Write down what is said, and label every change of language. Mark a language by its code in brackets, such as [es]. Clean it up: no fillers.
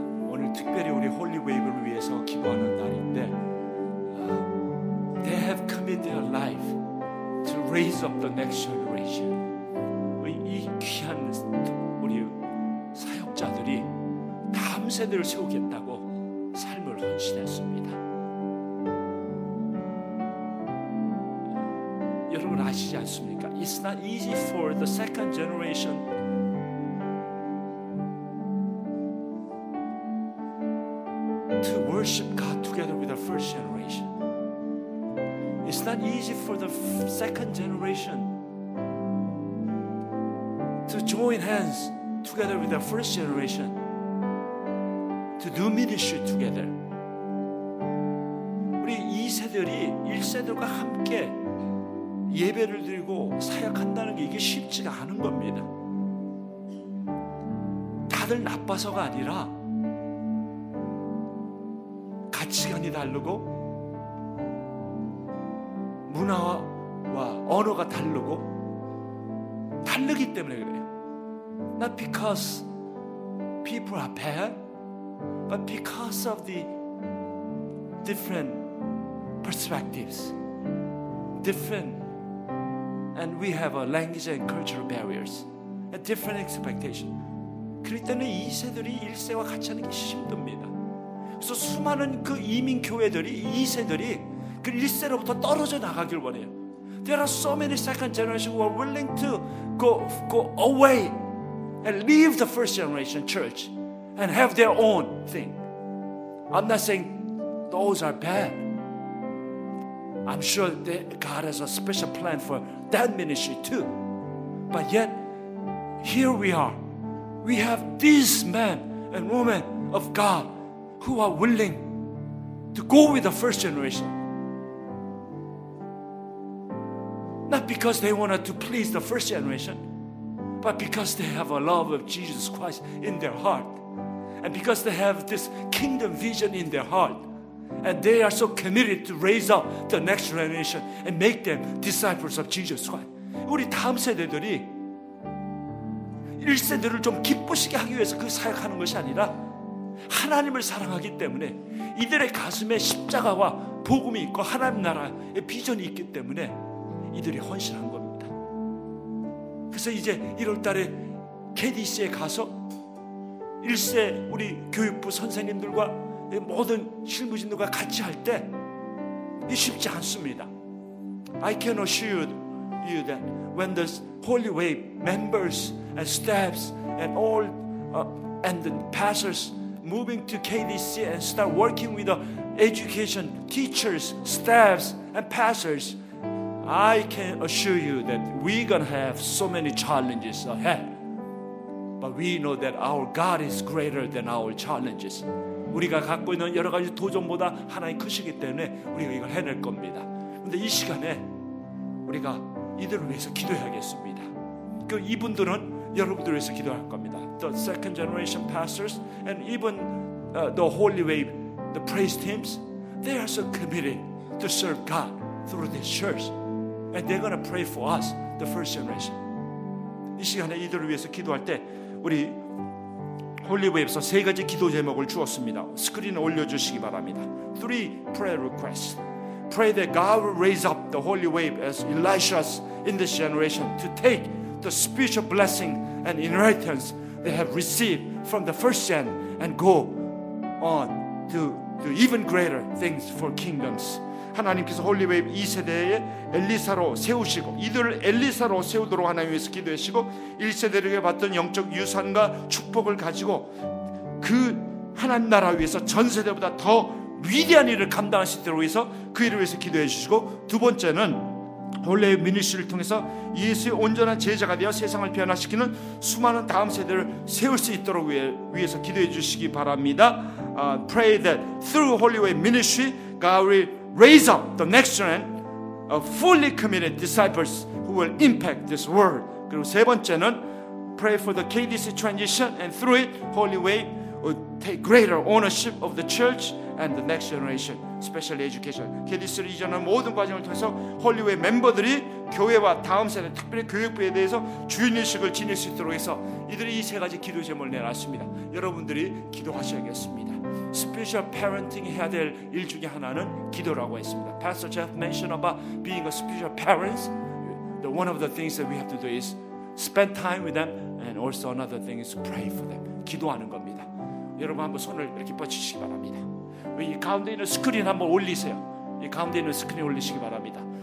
[ko] 오늘 특별히 우리 홀리웨이브를 위해서 기도하는 날인데 [en] They have committed their life to raise up the next generation. [ko] 이 귀한 우리 사역자들이 다음 세대를 세우겠다고 삶을 헌신했습니다. 여러분 아시지 않습니까? [en] It's not easy for the second generation to worship God together with the first generation. It's not easy for the second generation to join hands together with the first generation to do ministry together. [ko] 우리 2세들이 1세들과 함께 예배를 드리고 사역한다는 게 이게 쉽지가 않은 겁니다. 다들 나빠서가 아니라 가치관이 다르고 문화와 언어가 다르고 다르기 때문에 그래요. [en] Not because people are bad, but because of the different perspectives, different, and we have a language and cultural barriers, a different expectation. [ko] 그럴 때는 이 세들이 1세와 같이 하는 게 힘듭니다. 그래서 수많은 그 이민 교회들이 이 세들이 그 1세로부터 떨어져 나가길 원해요. [en] There are so many second generation who are willing to go away and leave the first generation church and have their own thing. I'm not saying those are bad. I'm sure that God has a special plan for that ministry too. But yet, here we are. We have these men and women of God who are willing to go with the first generation. Not because they wanted to please the first generation, but because they have a love of Jesus Christ in their heart, and because they have this kingdom vision in their heart, and they are so committed to raise up the next generation and make them disciples of Jesus Christ. [ko] 우리 다음 세대들이 1세대를 좀 기쁘시게 하기 위해서 그 사역하는 것이 아니라 하나님을 사랑하기 때문에 이들의 가슴에 십자가와 복음이 있고 하나님 나라의 비전이 있기 때문에 이들이 헌신한 겁니다. 그래서 이제 1월 달에 KDC에 가서 1세 우리 교육부 선생님들과 모든 실무진들과 같이 할 때 쉽지 않습니다. [en] I can assure you that when the Holy Way members and staffs and all and the pastors moving to KDC and start working with the education teachers, staffs and pastors, I can assure you that we're going to have so many challenges ahead. But we know that our God is greater than our challenges. [ko] 우리가 갖고 있는 여러 가지 도전보다 하나님이 크시기 때문에 우리가 이걸 해낼 겁니다. 근데 이 시간에 우리가 이들을 위해서 기도해야겠습니다. 그 이분들은 여러분들을 위해서 기도할 겁니다. [en] The second generation pastors and even the Holy Way, the praise teams, they are so committed to serve God through this church. And they're going to pray for us, the first generation. [ko] 이 시간에 이들을 위해서 기도할 때 우리 홀리웨이에서 세 가지 기도 제목을 주었습니다. 스크린에 올려주시기 바랍니다. [en] Three prayer requests. Pray that God will raise up the Holy Way as Elisha's in this generation to take the spiritual blessing and inheritance they have received from the first gen and go on to do even greater things for kingdoms. [ko] 하나님께서 홀리웨이브 2세대에 엘리사로 세우시고 이들을 엘리사로 세우도록 하나님께서 기도하시고 1세대에게 받던 영적 유산과 축복을 가지고 그 하나님 나라 위해서 전세대보다 더 위대한 일을 감당할 수 있도록 해서 그 일을 위해서 기도해 주시고 두 번째는 홀리웨이브 미니스트리를 통해서 예수의 온전한 제자가 되어 세상을 변화시키는 수많은 다음 세대를 세울 수 있도록 위해서 기도해 주시기 바랍니다. [en] Pray that through Holyway Ministry God will raise up the next generation of fully committed disciples who will impact this world. [ko] 그리고 세 번째는 [en] pray for the KDC transition and through it, Holy Way, would take greater ownership of the church and the next generation, especially education. [ko] 캐디스를 이전하는 모든 과정을 통해서 홀리웨이 멤버들이 교회와 다음 세대, 특별히 교육부에 대해서 주인의식을 지닐 수 있도록 해서 이들이 이 세 가지 기도 제목을 내놨습니다. 여러분들이 기도하셔야겠습니다. [en] Special parenting [ko] 해야 될 일 중에 하나는 기도라고 했습니다. [en] Pastor Jeff mentioned about being a special parents. The one of the things that we have to do is spend time with them, and also another thing is pray for them. [ko] 기도하는 겁니다. 여러분 한번 손을 이렇게 뻗치시기 바랍니다. 이 가운데 있는 스크린 한번 올리세요. 이 가운데 있는 스크린 올리시기 바랍니다.